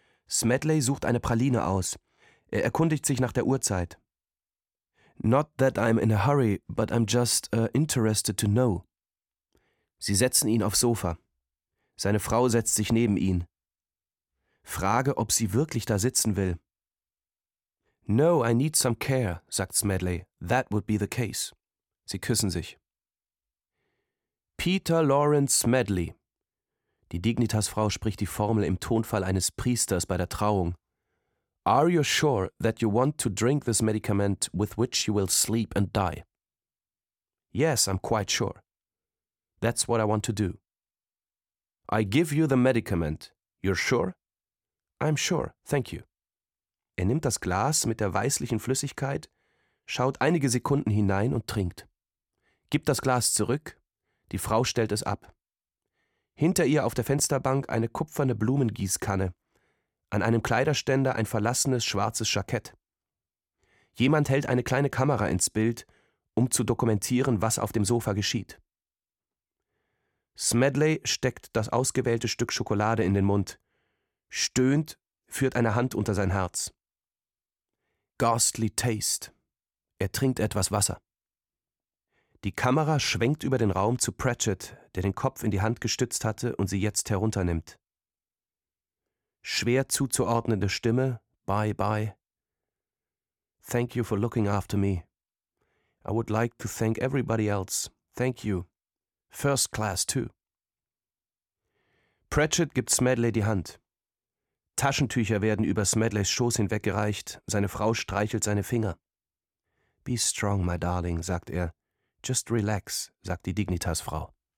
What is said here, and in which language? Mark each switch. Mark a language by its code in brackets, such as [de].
[de] Smedley sucht eine Praline aus. Er erkundigt sich nach der Uhrzeit. [en] Not that I'm in a hurry, but I'm just interested to know. [de] Sie setzen ihn aufs Sofa. Seine Frau setzt sich neben ihn. Frage, ob sie wirklich da sitzen will. [en] No, I need some care, [de] sagt Smedley. [en] That would be the case. [de] Sie küssen sich. [en] Peter Lawrence Smedley. [de] Die Dignitas-Frau spricht die Formel im Tonfall eines Priesters bei der Trauung. [en] Are you sure that you want to drink this medicament with which you will sleep and die? Yes, I'm quite sure. That's what I want to do. I give you the medicament. You're sure? I'm sure, thank you. [de] Er nimmt das Glas mit der weißlichen Flüssigkeit, schaut einige Sekunden hinein und trinkt. Gibt das Glas zurück. Die Frau stellt es ab. Hinter ihr auf der Fensterbank eine kupferne Blumengießkanne. An einem Kleiderständer ein verlassenes schwarzes Jackett. Jemand hält eine kleine Kamera ins Bild, um zu dokumentieren, was auf dem Sofa geschieht. Smedley steckt das ausgewählte Stück Schokolade in den Mund. Stöhnt, führt eine Hand unter sein Herz. [en] Ghastly taste. [de] Er trinkt etwas Wasser. Die Kamera schwenkt über den Raum zu Pratchett, der den Kopf in die Hand gestützt hatte und sie jetzt herunternimmt. Schwer zuzuordnende Stimme, [en] bye bye. Thank you for looking after me. I would like to thank everybody else. Thank you. First class too. [de] Pratchett gibt Smedley die Hand. Taschentücher werden über Smedleys Schoß hinweggereicht, seine Frau streichelt seine Finger. [en] Be strong, my darling, [de] sagt er. [en] Just relax, [de] sagt die Dignitas-Frau.